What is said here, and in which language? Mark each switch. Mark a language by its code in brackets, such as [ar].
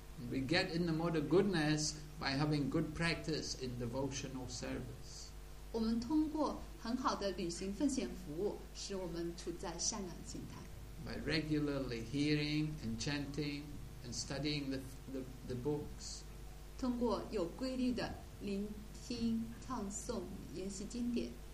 [en] We get in the mode of goodness by having good practice in devotional service. [zh] 我们通过很好的履行奉献服务，使我们处在善良形态。 [en] By regularly hearing and chanting and studying the books. [zh] 通过有规律的聆听唱诵研习经典。